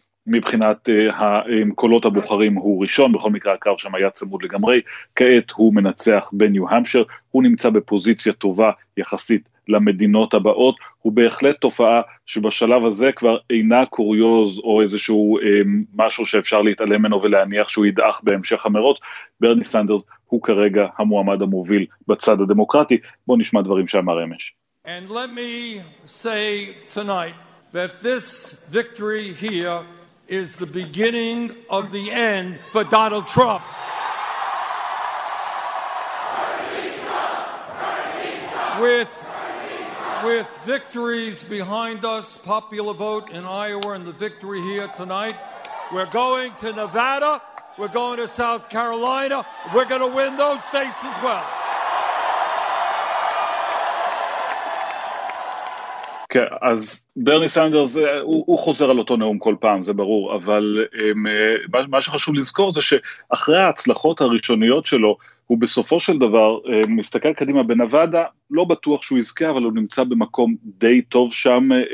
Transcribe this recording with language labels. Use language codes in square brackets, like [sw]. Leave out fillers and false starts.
[he] מבחינת הקולות הבוחרים הוא ראשון, בכל מקרה הקרב שם היה צמוד לגמרי, כעת הוא מנצח בניו-המפשיר, הוא נמצא בפוזיציה טובה יחסית למדינות הבאות, הוא בהחלט תופעה שבשלב הזה כבר אינה קוריוז או איזשהו משהו שאפשר להתעלם ממנו ולהניח שהוא ידעך בהמשך המרות, ברני סנדרס הוא כרגע המועמד המוביל בצד הדמוקרטי, בוא נשמע דברים שאמר אמש. [en] And let me say tonight that this victory here is the beginning of the end for Donald Trump. With victories behind us, popular vote in Iowa and the victory here tonight, we're going to Nevada, we're going to South Carolina, we're going to win those states as well. [he] כן, אז ברני סנדרס, הוא חוזר על אותו נאום כל פעם, זה ברור, אבל מה שחשוב לזכור זה שאחרי ההצלחות הראשוניות שלו, הוא בסופו של דבר מסתכל קדימה בנבדה, לא בטוח שהוא יזכה, אבל הוא נמצא במקום די טוב שם